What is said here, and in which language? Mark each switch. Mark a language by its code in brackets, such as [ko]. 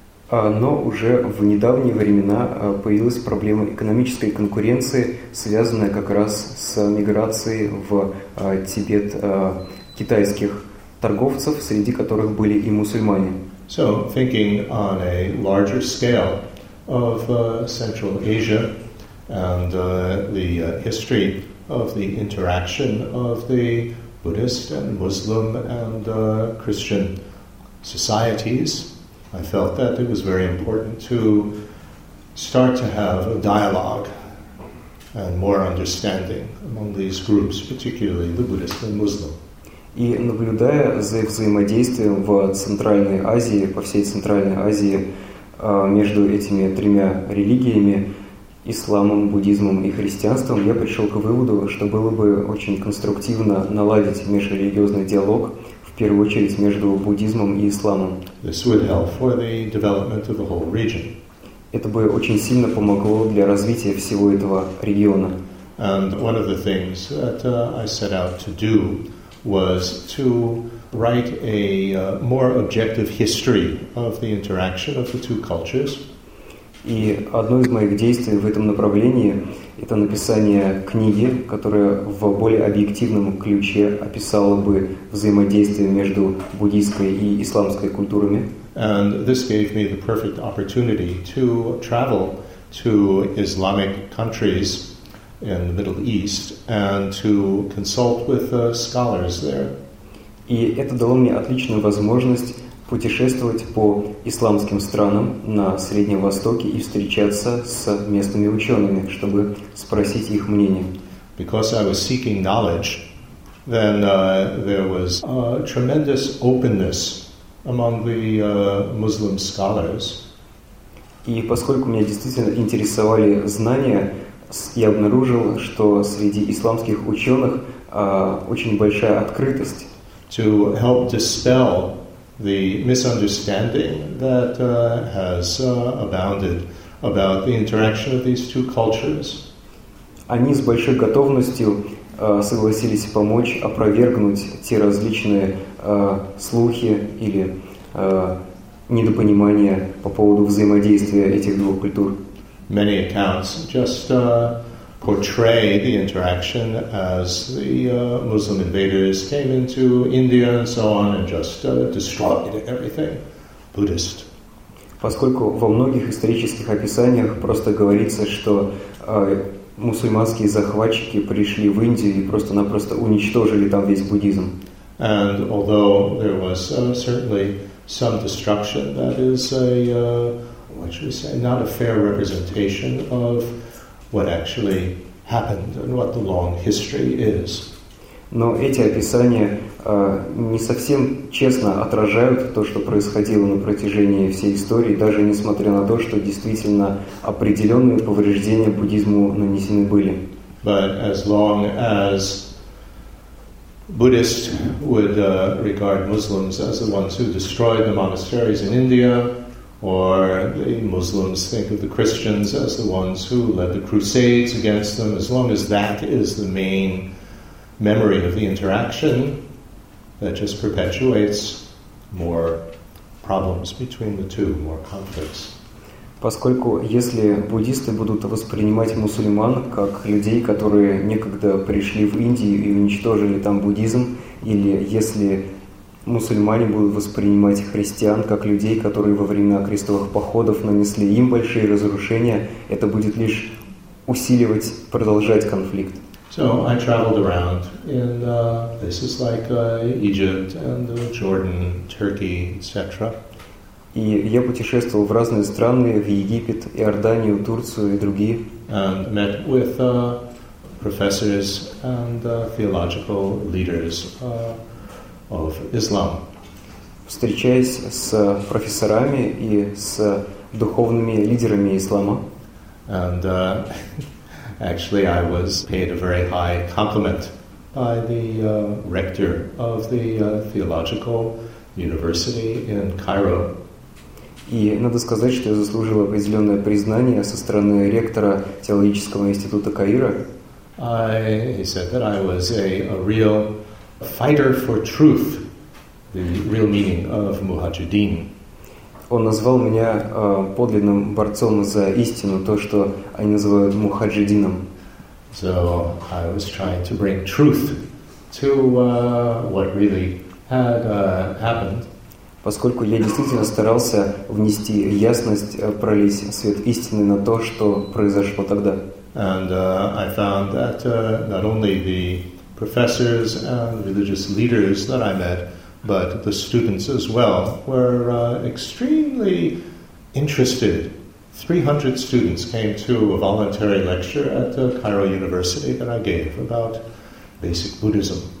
[ru] Но уже в недавние времена появилась проблема экономической конкуренции, связанная как раз с миграцией в Тибет китайских торговцев, среди которых были и мусульмане. [en] So, thinking on a larger scale of Central Asia and the history of the interaction of the Buddhist and Muslim and Christian societies, I felt that it was very important to start to have a dialogue and more understanding among these groups, particularly the Buddhist and Muslim. [ru] И наблюдая за их взаимодействием в Центральной Азии, по всей Центральной Азии, между этими тремя религиями, исламом, буддизмом и христианством, я пришел к выводу, что было бы очень конструктивно наладить межрелигиозный диалог, в первую очередь между буддизмом и исламом. [en] This would help for the development of the whole region. [ru] Это бы очень сильно помогло для развития всего этого региона. [en] And one of the things that I set out to do was to write a more objective history of the interaction of the two cultures. [ru] И одно из моих действий в этом направлении — это написание книги, которая в более объективном ключе описала бы взаимодействие между буддийской и исламской культурами. [en] And this gave me the perfect opportunity to travel to Islamic countries in the Middle East, and to consult with scholars there. [ru] И это дало мне отличную возможность путешествовать по исламским странам на Среднем Востоке и встречаться с местными учеными, чтобы спросить их мнение. [en] Because I was seeking knowledge, then there was a tremendous openness among the Muslim scholars. [ru] И поскольку меня действительно интересовали знания, я обнаружил, что среди исламских ученых очень большая открытость. [en] To help dispel the misunderstanding that has abounded about the interaction of these two cultures. [ru] Они с большой готовностью согласились помочь опровергнуть те различные слухи или недопонимание по поводу взаимодействия этих двух культур. [en] Many accounts just portray the interaction as the Muslim invaders came into India and so on and just destroyed everything. Buddhist. [ru] Поскольку во многих исторических описаниях просто говорится, что мусульманские захватчики пришли в Индию и просто-напросто уничтожили там весь буддизм. [en] And although there was certainly some destruction, that is a, what should we say, not a fair representation of what actually happened and what the long history is. [ru] Но эти описания не совсем честно отражают то, что происходило на протяжении всей истории, даже несмотря на то, что действительно определенные повреждения буддизму нанесены были. [en] But as long as Buddhists would regard Muslims as the ones who destroyed the monasteries in India, or the Muslims think of the Christians as the ones who led the crusades against them, as long as that is the main memory of the interaction, that just perpetuates more problems between the two, more conflicts. [ru] Поскольку если буддисты будут воспринимать мусульман как людей, которые некогда пришли в Индию и уничтожили там буддизм, или если мусульмане будут воспринимать христиан как людей, которые во времена крестовых походов нанесли им большие разрушения, это будет лишь усиливать, продолжать конфликт. [en] So I traveled around in places like Egypt and Jordan, Turkey, etc. [ru] И я путешествовал в разные страны, в Египет, Иорданию, Турцию и другие. [en] And met with professors and theological leaders of Islam. [ru] Встречаясь с профессорами и с духовными лидерами ислама. [en] And actually I was paid a very high compliment by the rector of the theological university in Cairo. [ru] И надо сказать, что я заслужил определенное признание со стороны ректора теологического института Каира. [en] He said that I was a real fighter for truth, the real meaning of Mujahideen. [ru] Он назвал меня подлинным борцом за истину, то, что они называют Мухаджидином. [en] So I was trying to bring truth to what really had happened. [ru] Поскольку я действительно старался внести ясность, пролить свет истины на то, что произошло тогда. [en] And I found that not only the professors and religious leaders that I met, but the students as well, were extremely interested. 300 students came to a voluntary lecture at the Cairo University that I gave about basic Buddhism.